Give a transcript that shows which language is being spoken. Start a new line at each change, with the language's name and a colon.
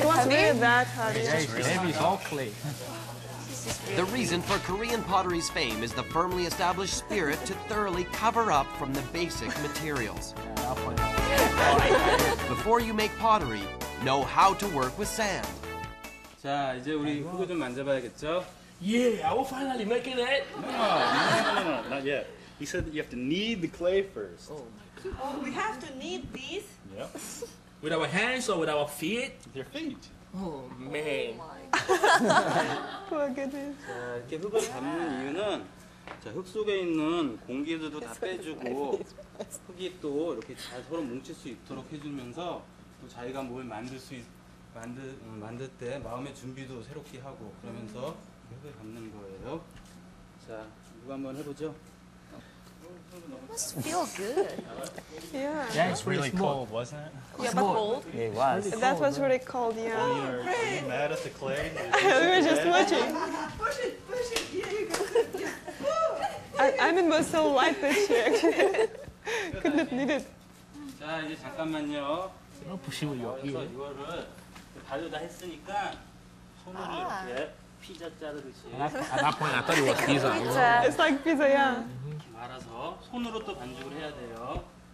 English: It was really that heavy. Yeah, it's really heavy, all clay. The reason for Korean pottery's fame is the firmly established spirit to thoroughly cover up from the basic materials. Before you make pottery, know how to work with sand.
Korean: 자, 이제 우리 흙을 좀 만져봐야겠죠?
English: Yeah, I will finally make it. No, not yet. He said that you have to knead the clay first. Oh, we have to knead these? Yep. With our hands or with our feet? With your feet. Oh, man. Oh, my goodness.
Korean: 자, 이렇게 흙을 잡는 이유는 자, 흙 속에 있는 공기들도 다 빼주고 흙이 또 이렇게 잘 서로 뭉칠 수 있도록 해주면서 또 자기가 뭘 만들 수 있 만들 때 마음의 준비도 새롭게 하고 그러면서 흙을 잡는 거예요. 자, 누가 한번 해보죠.
English: It must feel good. Yeah. Yeah, it's really cold, wasn't it? Yeah, but cold. It was. Really cold, that was really cold, yeah. Are you mad at the clay? We were just watching. Push it, push it. Here you go. I'm in most of life this year, actually. Could not need it.
Korean: 자, 이제 잠깐만요. 보시고요. 이거를 발로 다 했으니까 손으로 이렇게 피자 자르듯이.
English: It's like pizza, yeah.
Korean: 이렇게 말아서 손으로 또 반죽을 해야 돼요.